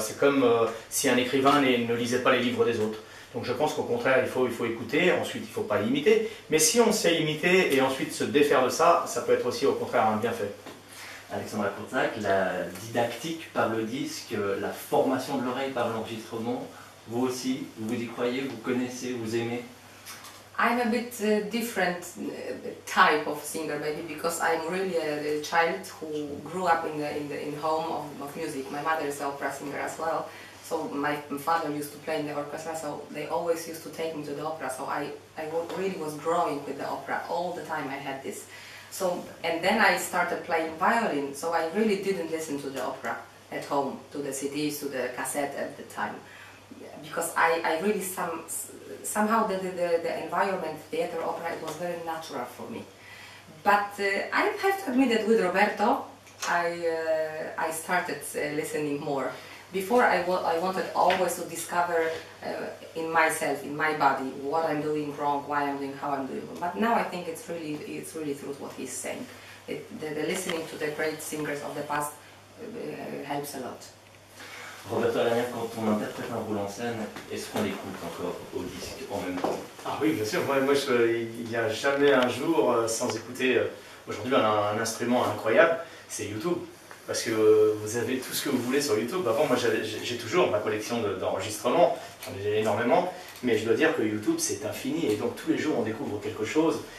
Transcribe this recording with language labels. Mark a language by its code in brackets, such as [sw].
[fr] C'est comme si un écrivain ne lisait pas les livres des autres. Donc je pense qu'au contraire, il faut écouter, ensuite il ne faut pas imiter. Mais si on sait imiter et ensuite se défaire de ça, ça peut être aussi au contraire un bienfait. Alexandra Kurczak, la didactique par le disque, la formation de l'oreille par l'enregistrement, vous aussi, vous y croyez, vous connaissez, vous aimez? [en] I'm a bit different type of singer maybe because I'm really a child who grew up in home of music. My mother is an opera singer as well. So my father used to play in the orchestra, so they always used to take me to the opera. So I really was growing with the opera all the time. I had this So and then I started playing violin. So I really didn't listen to the opera at home, to the CDs, to the cassette at the time, because I really somehow the environment, theater, opera, it was very natural for me. But I have to admit that with Roberto, I started listening more. Before I wanted always to discover in myself, in my body, what I'm doing wrong, why I'm doing, how I'm doing. But now I think it's really through what he's saying. The listening to the great singers of the past helps a lot. [fr] Roberto Alagnac, quand on interprète un rôle en scène, est-ce qu'on l'écoute encore au disque en même temps? Ah oui, bien sûr. Moi, il n'y a jamais un jour sans écouter. Aujourd'hui, on a un instrument incroyable, c'est YouTube. Parce que vous avez tout ce que vous voulez sur YouTube. Avant, moi, j'ai toujours ma collection d'enregistrements, j'en ai énormément, mais je dois dire que YouTube, c'est infini, et donc tous les jours, on découvre quelque chose.